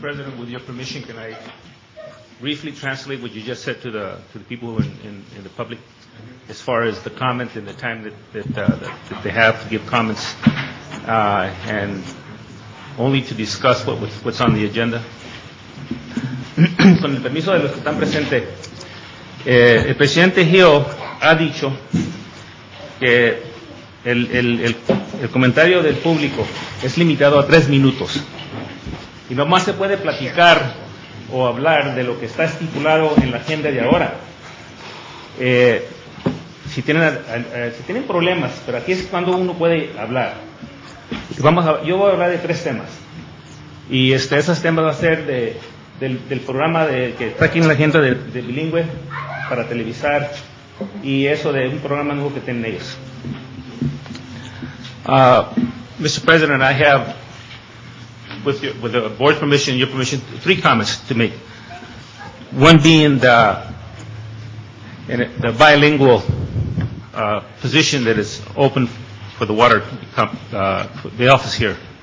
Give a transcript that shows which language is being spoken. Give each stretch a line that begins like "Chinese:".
English: President, with your permission, can I briefly translate what you just said to the people in the public as far as the comment and the time that they have to give comments and only to discuss what's on the agenda?
Spanish: Con el permiso de los que están presentes, el presidente Hill ha dicho que el comentario del público es limitado a 3 minutos y nomás se puede platicar o hablar de lo que está estipulado en la agenda de ahora. Si tienen problemas, pero aquí es cuando uno puede hablar. Yo voy a hablar de 3 temas y esos temas van a ser del programa que está aquí en la agenda de bilingüe para televisar y eso de un programa nuevo que tienen ellos.
English: Mr. President, I have, with the board's permission, your permission, 3 comments to make. One being the bilingual position that is open for the water, for the office here.